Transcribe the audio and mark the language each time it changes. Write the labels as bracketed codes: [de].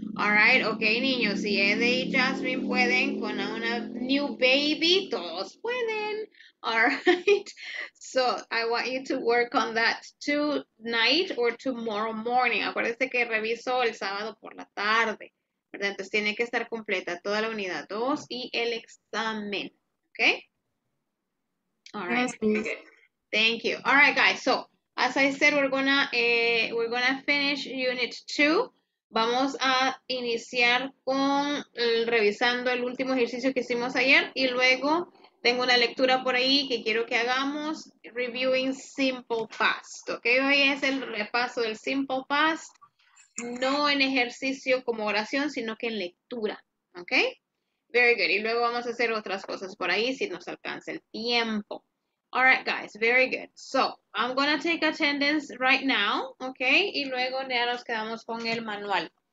[en] All right, okay, [es] niños, si Ede y Jasmine pueden con una [en] new baby, [es] todos pueden. [en] All right, so I want you to work on that tonight or tomorrow morning. [es] Acuérdense que reviso el sábado por la tarde, ¿verdad? Entonces tiene que estar completa toda la unidad 2 y el examen, okay? [en] All right, yes, please. Okay. Thank you. All right, guys. So, as I said, we're gonna finish unit 2. [es] Vamos a iniciar con revisando el último ejercicio que hicimos ayer y luego tengo una lectura por ahí que quiero que hagamos, [en] reviewing simple past. [es] Okay, hoy es el repaso del simple past, no en ejercicio como oración, sino que en lectura. Okay? [en] Very good. [es] Y luego vamos a hacer otras cosas por ahí si nos alcanza el tiempo. [en] All right, guys, very good. So, I'm going to take attendance right now, okay? [es] Y luego ya nos quedamos con el manual.